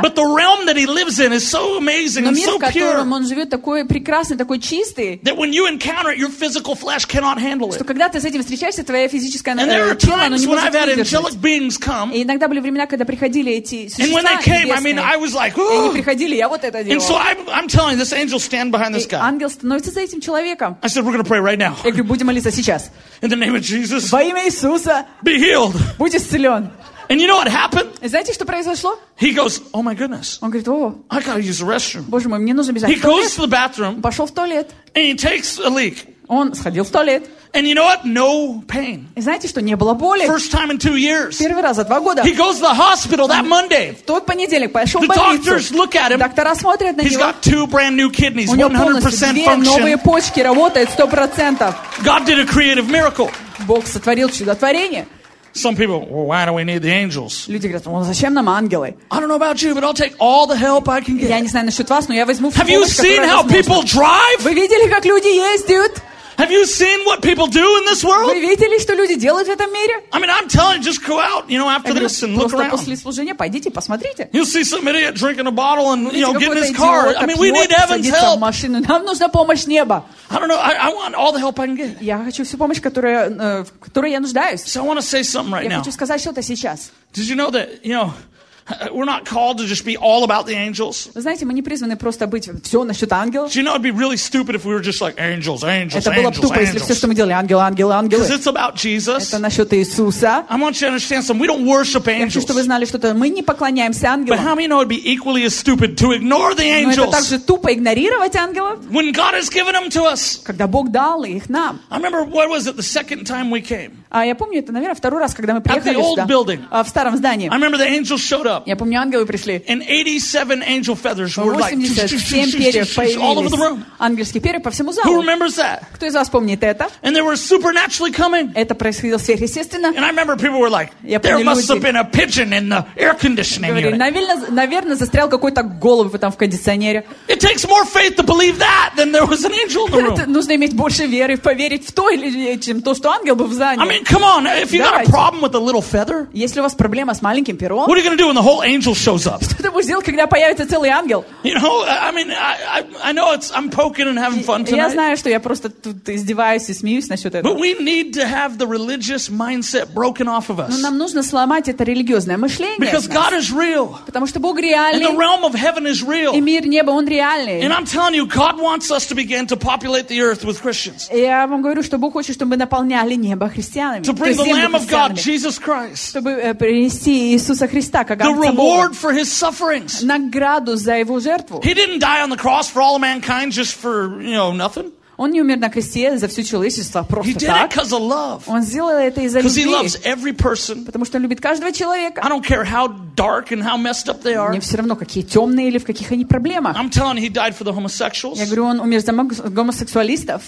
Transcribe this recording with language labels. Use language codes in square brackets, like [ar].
[en] But the realm that he lives in is so amazing and so pure. [ru] Но мир, в котором он живет, такой прекрасный, такой чистый. [en] That when you encounter it, your physical flesh cannot handle it. [ru] Что когда ты с этим встречаешься, твоя физическая тело, оно не может выдержать. [en] And there are times when I've had angelic beings come. [ru] И иногда были времена, когда приходили эти существа небесные. [en] And when they came, I mean, I was like, [ru] ooh. Они приходили, я вот это. [en] And so I'm telling this angel stand behind this guy. [ru] Ангел становится за этим человеком. [en] I said we're going to pray right now. [ru] Я говорю, будем молиться сейчас. [en] In the name of Jesus. [ru] Во имя Иисуса. [en] Be healed. [ru] Будь исцелен. [en] And you know what happened? [ru] Знаете, что произошло? [en] He goes, oh my goodness. [ru] Он говорит, о. [en] I got to use the restroom. [ru] Боже мой, мне нужно бежать. [en] He goes to the bathroom. [ru] Пошел в туалет. [en] And he takes a leak. [ru] Он сходил в туалет. [en] And you know what? No pain. [ru] И знаете, что не было боли? [en] First time in 2 years. [ru] Первый раз за два года. [en] He goes to the hospital that Monday. [ru] В тот понедельник пошел в больницу. [en] The doctors look at him. [ru] Доктора смотрят на него. [en] He's got two brand new kidneys, 100% function. [ru] У него полностью две новые почки, работает 100%. [en] God did a creative miracle. [ru] Бог сотворил чудотворение. [en] Some people, well, why do we need the angels? [ru] Люди говорят, ну зачем нам ангелы? [en] I don't know about you, but I'll take all the help I can get. [ru] Я не знаю насчет вас, но я возьму всю [en] Have you seen how people drive? [ru] Вы видели, как люди ездят? [en] Have you seen what people do in this world? [ru] Вы видели, что люди делают в этом мире? [en] I mean, I'm telling you, just go out, you know, after [ru] говорю, [en] this and look around. [ru] Просто после служения пойдите, посмотрите. [en] You'll see some idiot drinking a bottle and, [ru] видите, [en] you know, getting his car. I mean, we need heaven's help. [ru] Машину. Нам нужна помощь неба. [en] I don't know, I want all the help I can get. [ru] Я хочу всю помощь, которая, в которой я нуждаюсь. [en] So I want to say something right [ru] я [en] now. [ru] Я хочу сказать что-то сейчас. [en] Did you know that, you know, we're not called to just be all about the angels. [ru] Знаете, мы не призваны просто быть все насчет ангелов. [en] You know, it'd be really stupid if we were just like angels, angels, angels. [ru] Это было тупо, [en] angels. [ru] Если все, что мы делали, ангелы, ангелы, ангелы. [en] Because it's about Jesus. [ru] Это насчет Иисуса. [en] I want you to understand something. We don't worship angels. [ru] Я хочу, чтобы вы знали, что мы не поклоняемся ангелам. [en] But how many know it'd be equally as stupid to ignore the angels? [ru] Но это также тупо игнорировать ангелов. [en] When God has given them to us. [ru] Когда Бог дал их нам. [en] I remember what was it the second time we came. [ru] А я помню это, наверное, второй раз, когда мы приехали сюда. [en] At the old building. [ru] В старом здании. [en] I remember the angels showed. [ru] Я помню, ангелы пришли. [en] And 87 angel feathers were like all over the room. [ru] Ангельские перья по всему залу. [en] Who remembers that? [ru] Кто из вас помнит это? [en] And they were supernaturally coming. [ru] Это происходило сверхъестественно. [en] And I remember people were like, there must have been a pigeon in the air conditioning unit. [ru] Наверное, застрял какой-то голубь там в кондиционере. [en] It takes more faith to believe that than there was an angel in the room. [ru] Нужно иметь больше веры, поверить в то или чем то, что ангел был в зале. [en] I mean, come on, if you got a problem with a little feather? [ru] Если у вас проблема с маленьким пером? [en] What are you gonna do? When the whole angel shows up. [ru] Что ты будешь делать, когда появится целый ангел? [en] You know, I mean, I know it's I'm poking and having fun tonight. [ru] Я знаю, что я просто тут издеваюсь и смеюсь насчет этого. [en] But we need to have the religious mindset broken off of us. [ru] Но нам нужно сломать это религиозное мышление. [en] Because God is real. [ru] Потому что Бог реальный. [en] And the realm of heaven is real. [ru] И мир неба он реальный. [en] And I'm telling you, God wants us to begin to populate the earth with Christians. [ru] Я вам говорю, что Бог хочет, чтобы мы наполняли небо христианами. христианами. [en] To bring the Lamb of God, Jesus Christ. [ru] Чтобы принести Иисуса Христа как агнца Бога. [en] The reward for his sufferings. [ru] Награду за его жертву. [en] He didn't die on the cross for all of mankind just for, you know, nothing. [ru] Он не умер на кресте за все человечество просто так. Он сделал это из-за любви. Потому что он любит каждого человека. Мне все равно, какие темные или в каких они проблемах. Я говорю, он умер за гомосексуалистов.